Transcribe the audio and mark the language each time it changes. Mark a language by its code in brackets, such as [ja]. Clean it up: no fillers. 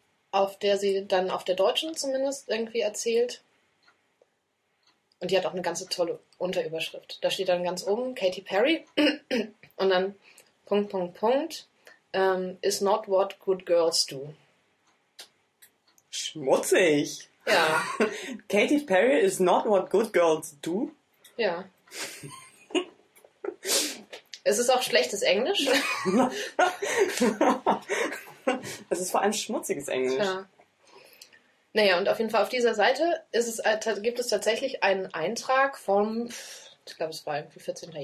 [de] Auf der sie dann auf der Deutschen zumindest irgendwie erzählt. Und die hat auch eine ganze tolle Unterüberschrift. Da steht dann ganz oben Katy Perry und dann Punkt, Punkt, Punkt [en] is not what good girls do. [de] Schmutzig. Ja. [en] Katy Perry is not what good girls do. [de] Ja. Es ist auch schlechtes Englisch. Es ist vor allem schmutziges Englisch. Ja. Naja, und auf jeden Fall auf dieser Seite ist es, gibt es tatsächlich einen Eintrag vom, ich glaube es war irgendwie 14.